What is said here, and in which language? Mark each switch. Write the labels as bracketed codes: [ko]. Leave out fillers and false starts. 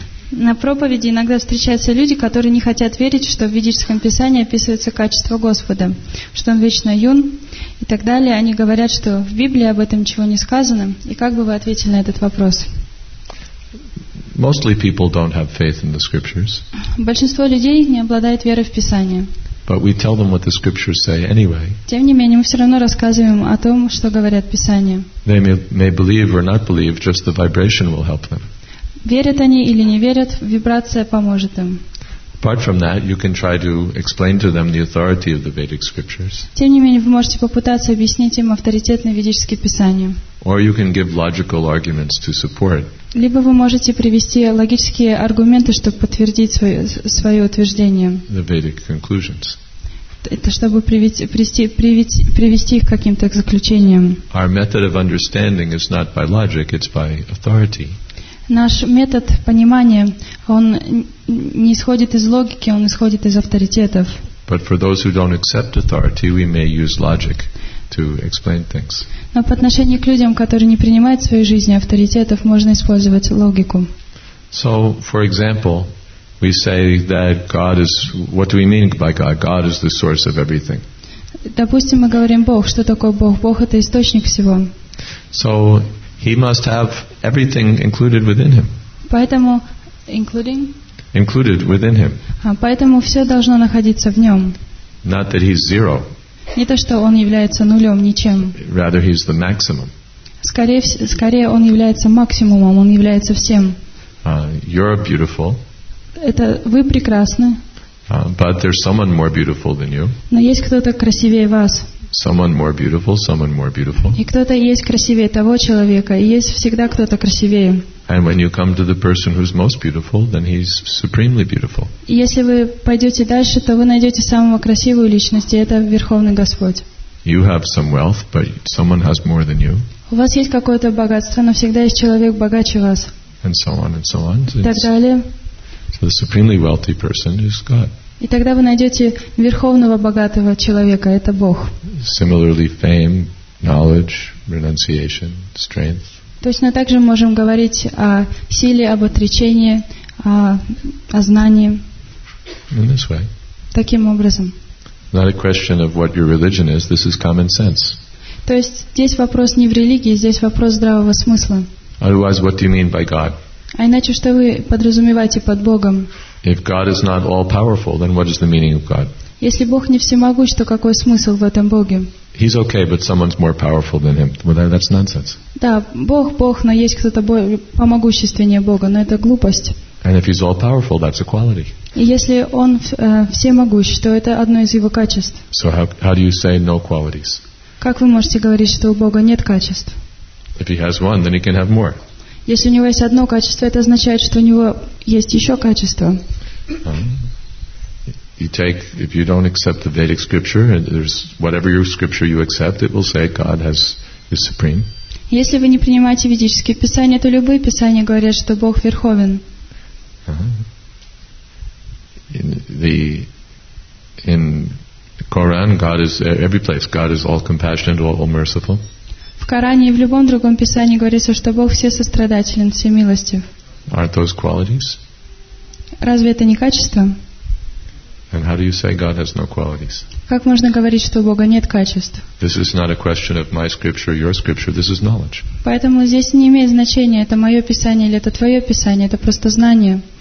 [ru] На проповеди иногда встречаются люди, которые не хотят верить, что в ведическом писании описывается качество Господа, что Он вечно юн и так далее. Они говорят, что в Библии об этом ничего не сказано. И как бы вы ответили на этот вопрос? [en] Mostly people don't have faith in the scriptures. [ru] Большинство людей не обладает верой в Писание. [en] But we tell them what the scriptures say anyway. [ru] Тем не менее, мы все равно рассказываем о том, что говорят Писания. [en] They may believe or not believe, just the vibration will help them. [ru] Верят они или не верят, вибрация поможет им. [en] Apart from that, you can try to explain to them the authority of the Vedic scriptures. [ru] Тем не менее, вы можете попытаться объяснить им авторитетное ведическое Писание. [en] Or you can give logical arguments to support. [ru] Либо вы можете привести логические аргументы, чтобы подтвердить свое утверждение. [en] The Vedic conclusions. [ru] это чтобы привести их к каким-то заключениям. [en] Our method of understanding is not by logic, it's by authority. [ru] Наш метод понимания, он не исходит из логики, он исходит из авторитетов. [en] But for those who don't accept authority, we may use logic to explain things. [ru] Но по отношению к людям, которые не принимают в своей жизни авторитетов, можно использовать логику. [en] So, for example, we say that God is... What do we mean by God? God is the source of everything. [ru] Допустим, мы говорим Бог. Что такое Бог? Бог — это источник всего. [en] So, He must have everything included within Him. [ru] Поэтому, [en] including? Included within Him. [ru] Поэтому все должно находиться в Нем. [en] Not that He's zero. [ru] Не то, что Он является нулем, ничем. [en] Rather, He's the maximum. [ru] Скорее, Он является максимумом, Он является всем. [en] You're beautiful. [ru] Это вы прекрасны. [en] But there's someone more beautiful than you. [ru] Но есть кто-то красивее вас. [en] Someone more beautiful, someone more beautiful. [ru] И кто-то есть красивее того человека, и есть всегда кто-то красивее. [en] And when you come to the person who's most beautiful, then he's supremely beautiful. [ru] И если вы пойдете дальше, то вы найдете самую красивую личность, и это Верховный Господь. [en] You have some wealth, but someone has more than you. [ru] У вас есть какое-то богатство, но всегда есть человек богаче вас. [en] And so on and so on. [ru] И так далее. [en] So the supremely wealthy person is God. [ru] И тогда вы найдете верховного богатого человека, это Бог. [en] Similarly, fame, knowledge, renunciation, strength. [ru] Точно так же можем говорить о силе, об отречении, о знании. [en] In this way. [ru] Таким образом. [en] Not a question of what your religion is, this is common sense. [ru] То есть здесь вопрос не в религии, здесь вопрос здравого смысла. [en] Otherwise, what do you mean by God? [ru] А иначе, что вы подразумеваете под Богом? [en] If God is not all-powerful, then what is the meaning of God? [ru] Если Бог не всемогущ, то какой смысл в этом Боге? [en] He's okay, but someone's more powerful than him. Well, that's nonsense. [ru] Да, Бог, но есть кто-то помогущественнее Бога, но это глупость. [en] And if he's all-powerful, that's a quality. [ru] И если он всемогущ, то это одно из его качеств. [en] So how do you say no qualities? [ru] Как вы можете говорить, что у Бога нет качеств? [en] If he has one, then he can have more. [ru] Если у него есть одно качество, это означает, что у него есть еще качество. [en] If you don't accept the Vedic scripture, and there's whatever your scripture you accept, it will say God is supreme. [ru] Если вы не принимаете ведические писания, то любые писания говорят, что Бог верховен. [en] In the Quran, God is every place. God is all compassionate, all merciful. [ru] В Коране и в любом другом писании говорится, что Бог всесострадателен, всемилостив. [en] Aren't those qualities? [ru] Разве это не качество? [en] And how do you say God has no qualities? [ru] Как можно говорить, что у Бога нет качеств? [en] This is not a question of my scripture or your scripture. This is knowledge. [ru] Поэтому здесь не имеет значения, это мое писание или это твое писание, это просто знание.